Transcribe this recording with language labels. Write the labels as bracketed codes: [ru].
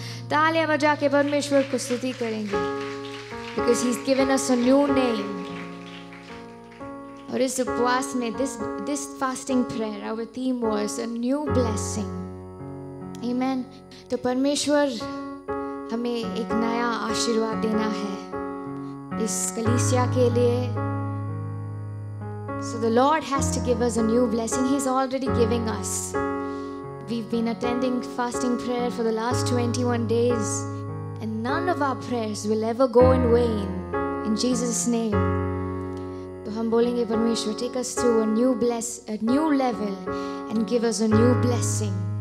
[hi] तालियां बजा के परमेश्वर को स्तुति करेंगे, [en] because he's given us a new name. [hi] और इस उपवास में, [en] this fasting prayer, our theme was a new blessing. Amen. [hi] तो परमेश्वर हमें एक नया आशीर्वाद देना है इस कलीसिया के लिए. [en] So the Lord has to give us a new blessing. He's already giving us. We've been attending fasting prayer for the last 21 days, and none of our prayers will ever go in vain. In Jesus' name. So [hi] hum bolenge, [en] Parmeshwar, take us to a new level and give us a new blessing.